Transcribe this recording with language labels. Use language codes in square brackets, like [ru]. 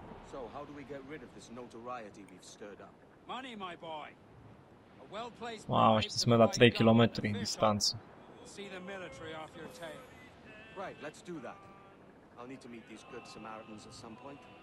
[en] So how do we get rid of this notoriety we've stirred up? Money, my boy. A well-placed bribe. [ro] Wow, ăștia sunt la 3 km distanță. [en] See the military off your tail. Right, let's do that. I'll need to meet these good Samaritans at some point.